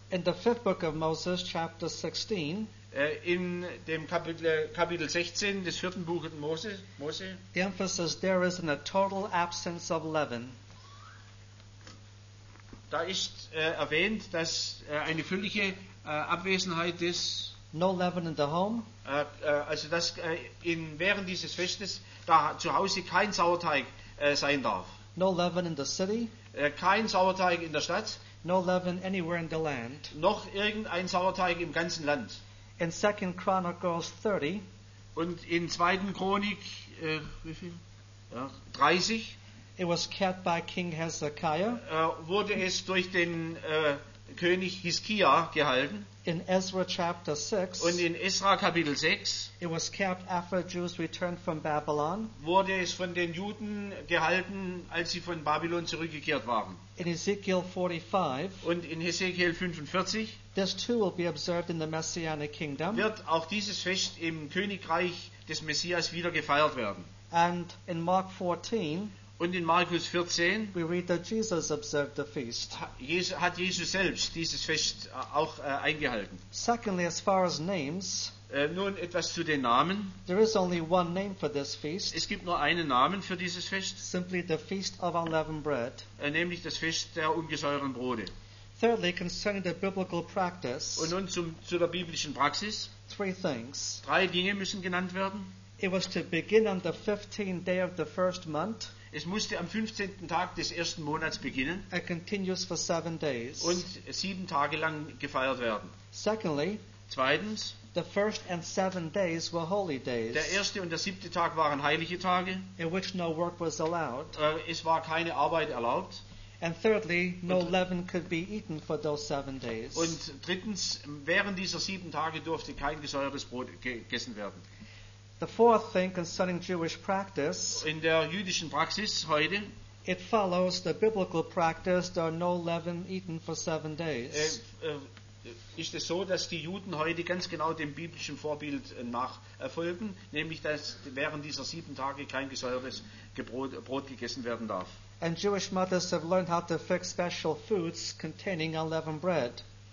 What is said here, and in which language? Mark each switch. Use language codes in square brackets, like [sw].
[en] In the 5th book of Moses, chapter 16, [de] in dem Kapitel 16 des vierten Buches Mose, [en] the emphasis there is in a total absence of leaven. [de] Da ist erwähnt, dass eine völlige Abwesenheit ist. [en] No leaven in the home. [de] Also dass während dieses Festes da zu Hause kein Sauerteig sein darf. [en] No leaven in the city. [de] Kein Sauerteig in der Stadt. [en] No leaven anywhere in the land. [de] Noch irgendein Sauerteig im ganzen Land. [en] In 2 Chronicles 30. [de] Und in 2. Chronik, wie viel? Ja, 30. [en] It was kept by King Hezekiah. [de] Wurde es durch den König Hiskia gehalten. [en] In Ezra chapter 6. [de] Und in Ezra Kapitel 6. [en] It was kept after Jews returned from Babylon. [de] Wurde es von den Juden gehalten, als sie von Babylon zurückgekehrt waren. [en] In Ezekiel 45. [de] Und in Hezekiel 45. [en] This too will be observed in the Messianic kingdom. [de] Wird auch dieses Fest im Königreich des Messias wieder gefeiert werden. [en] And in Mark 14. [de] Und in Markus 14 [en] we read that Jesus observed the feast. [de] Hat Jesus selbst dieses Fest auch eingehalten. [en] Secondly, as far as names, [de] nun etwas zu den Namen. [en] There is only one name for this feast. [de] Es gibt nur einen Namen für dieses Fest. [en] Simply the Feast of Unleavened Bread. [de] Nämlich das Fest der ungesäuerten Brote. [en] Thirdly, concerning the biblical practice, [de] und nun zu der biblischen Praxis. [en] Three things. [de] Drei Dinge müssen genannt werden. [en] It was to begin on the 15th day of the first month. [de] Es musste am 15. Tag des ersten Monats beginnen. [en] It continues for 7 days. [de] Und 7 Tage lang gefeiert werden. [en] Secondly, [de] zweitens, [en] the first and 7 days were holy days. [de] Der erste und der 7. Tag waren heilige Tage. [en] In which no work was allowed. [de] Es war keine Arbeit erlaubt. [en] And thirdly, no leaven could be eaten for those 7 days. [de] Und drittens, während dieser 7 Tage durfte kein gesäuertes Brot gegessen werden. [en] The fourth thing concerning Jewish practice, [de] in der jüdischen Praxis heute, [en] it follows the biblical practice, there are no leaven eaten for 7 days. [de] Ist es so, dass die Juden heute ganz genau dem biblischen Vorbild nachfolgen, nämlich dass während dieser 7 Tage kein gesäuertes Brot gegessen werden darf. [en] And Jewish mothers have learned how to fix special foods containing unleavened bread.